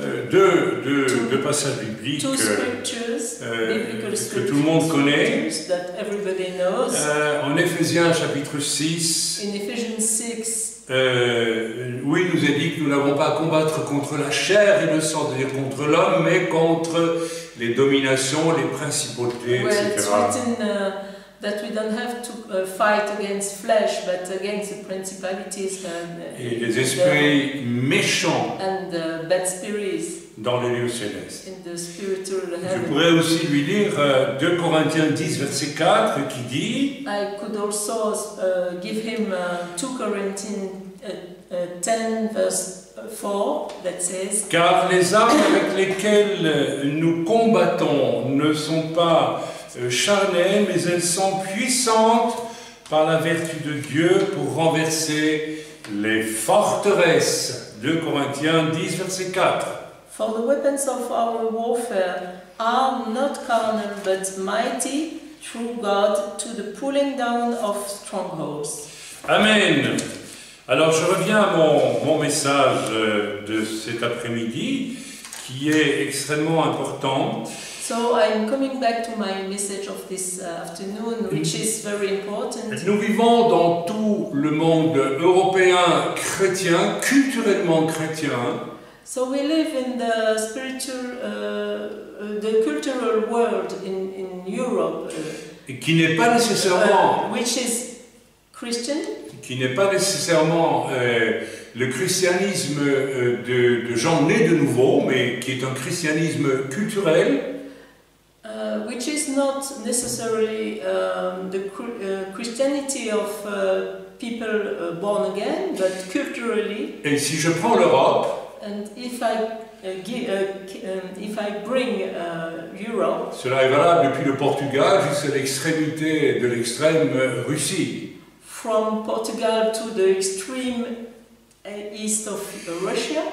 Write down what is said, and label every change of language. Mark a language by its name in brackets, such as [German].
[French] deux passages bibliques que tout le monde connaît. [English] That everybody knows. [French] En Éphésiens chapitre 6, [English] in Ephesians 6 [French] où il nous est dit que nous n'avons pas à combattre contre la chair et le sang, c'est-à-dire contre l'homme, mais contre les dominations, les principautés, etc. [English] Well, it's written that we don't have to fight against flesh, but against the principalities [French] et les esprits méchants [English] and the bad spirits [French] dans les lieux célestes. [English] In the spiritual heaven. [French] Je pourrais aussi lui lire 2 Corinthiens 10, verset 4, qui dit [English] I could also give him 2 Corinthiens 10, verse 4, that says [French] car les armes avec lesquelles nous combattons ne sont pas charnelles, mais elles sont puissantes par la vertu de Dieu pour renverser les forteresses. 2 Corinthiens 10, verset 4. [English] For the weapons of our warfare are not carnal but mighty through God to the pulling down of strongholds. Amen. [French] Alors je reviens à mon message de cet après-midi qui est extrêmement important. [English] So I'm coming back to my message of this afternoon which is very important. [French] Nous vivons dans tout le monde européen chrétien, culturellement chrétien. [English] So we live in the spiritual, the cultural world in Europe. [French] Qui n'est pas nécessairement [English] which is Christian. [French] Qui n'est pas nécessairement le christianisme de gens nés de nouveau, mais qui est un christianisme culturel. [English] Which is not necessarily the Christianity of people born again, but culturally. [French] Et si je prends l'Europe. [English] And if I if I bring Europe. [French] Cela est valable depuis le Portugal jusqu'à l'extrémité de l'extrême Russie. [English] From Portugal to the extreme east of Russia.